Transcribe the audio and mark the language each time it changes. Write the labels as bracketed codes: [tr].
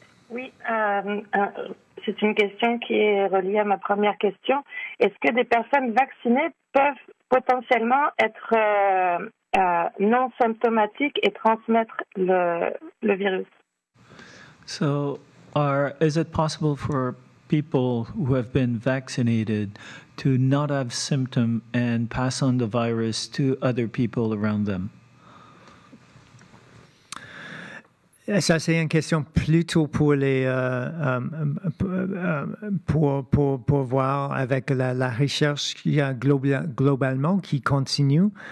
[fr] Oui, c'est une question qui est reliée à ma première question. Est-ce que des personnes vaccinées peuvent potentiellement être non symptomatiques et transmettre le virus? [en] So, is it possible for people who have been vaccinated to not have symptoms and pass on the virus to other people around them? [fr] Ça, c'est une question plutôt pour les pour voir avec la recherche qu'il y a globalement qui continue.